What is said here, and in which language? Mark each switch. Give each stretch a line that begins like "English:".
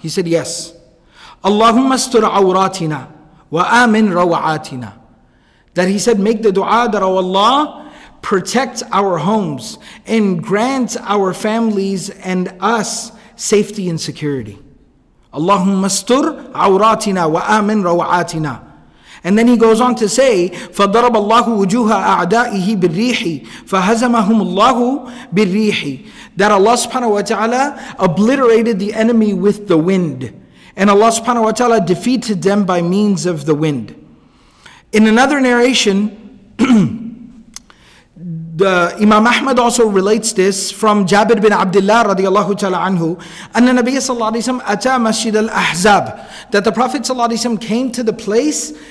Arabic: He said, yes. اللَّهُمَّ اسْتُرْ عَوْرَاتِنَا وَآمِنْ رَوَعَاتِنَا.
English: That he said, make the dua that, oh Allah, protect our homes and grant our families and us safety and security.
Arabic: Allahumma astur awratina wa amin rawatina. And then he goes on to say, فَضَرَبَ اللَّهُ وُجُوهَ أَعْدَائِهِ بِالْرِّيحِ فَهَزَمَهُمُ اللَّهُ بِالْرِّيحِ.
English: That Allah subhanahu wa ta'ala obliterated the enemy with the wind. And Allah subhanahu wa ta'ala defeated them by means of the wind. In another narration, the Imam Ahmad also relates this from Jabir bin Abdullah radiallahu ta'ala anhu, and the Nabiya sallallahu alayhi wa sallam ata masjid al-Ahzab, that the Prophet sallallahu alayhi wa sallam came to the place.